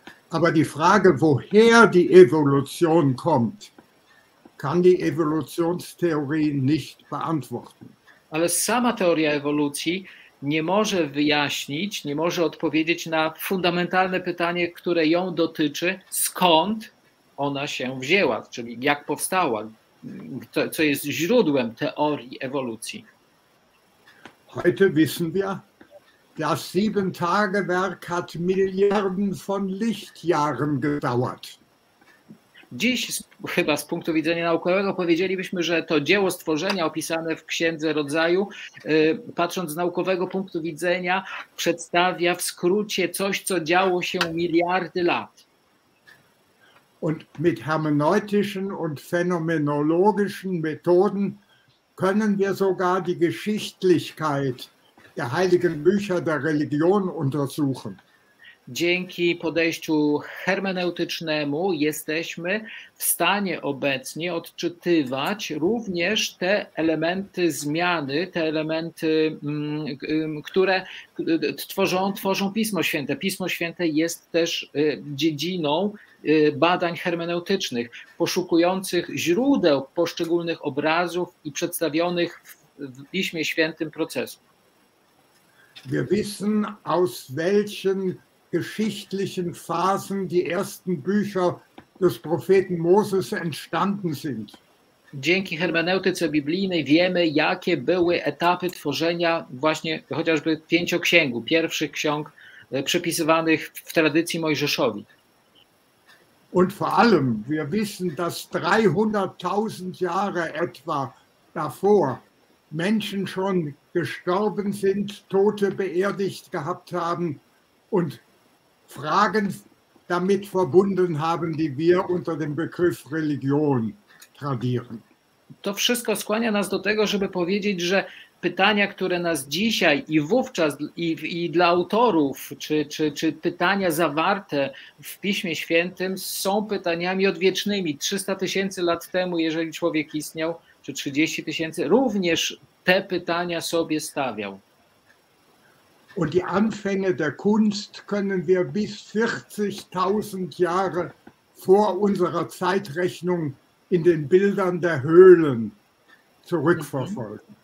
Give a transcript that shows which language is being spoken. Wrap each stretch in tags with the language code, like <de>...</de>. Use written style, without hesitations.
<de>Aber die Frage, woher die Evolution kommt, kann die Evolutionstheorie nicht beantworten.</de> <pl>Ale sama teoria ewolucji nie może wyjaśnić, nie może odpowiedzieć na fundamentalne pytanie, które ją dotyczy, skąd ona się wzięła, czyli jak powstała, co jest źródłem teorii ewolucji.</pl> <de>Heute wissen wir, das Sieben-Tage-Werk hat Milliarden von Lichtjahren gedauert.</de> <pl>Dziś chyba z punktu widzenia naukowego powiedzielibyśmy, że to dzieło stworzenia opisane w Księdze Rodzaju, patrząc z naukowego punktu widzenia, przedstawia w skrócie coś, co działo się miliardy lat.</pl> <de>Und mit hermeneutischen und phänomenologischen Methoden können wir sogar die Geschichtlichkeit der heiligen Bücher der Religion untersuchen.</de> <pl>Dzięki podejściu hermeneutycznemu jesteśmy w stanie obecnie odczytywać również te elementy zmiany, te elementy, które tworzą Pismo Święte. Pismo Święte jest też dziedziną badań hermeneutycznych, poszukujących źródeł poszczególnych obrazów i przedstawionych w Piśmie Świętym procesów.</pl> <de>Wir wissen, aus welchen geschichtlichen Phasen die ersten Bücher des Propheten Moses entstanden sind.</de> <pl>Dzięki hermeneutyce biblijnej wiemy, jakie były etapy tworzenia właśnie chociażby pięcioksięgu, pierwszych ksiąg przypisywanych w tradycji Mojżeszowi.</pl> <de>Und vor allem, wir wissen, dass 300.000 Jahre etwa davor Menschen schon gestorben sind, Tote beerdigt gehabt haben und Fragen damit verbunden haben, die wir unter dem Begriff Religion tradieren.</de> <pl>To wszystko skłania nas do tego, żeby powiedzieć, że pytania, które nas dzisiaj i wówczas i dla autorów, czy pytania zawarte w Piśmie Świętym są pytaniami odwiecznymi. 300 tysięcy lat temu, jeżeli człowiek istniał, czy 30 tysięcy, również te pytania sobie stawiał.</pl> <de>Und die Anfänge der Kunst können wir bis 40.000 Jahre vor unserer Zeitrechnung in den Bildern der Höhlen zurückverfolgen.</de>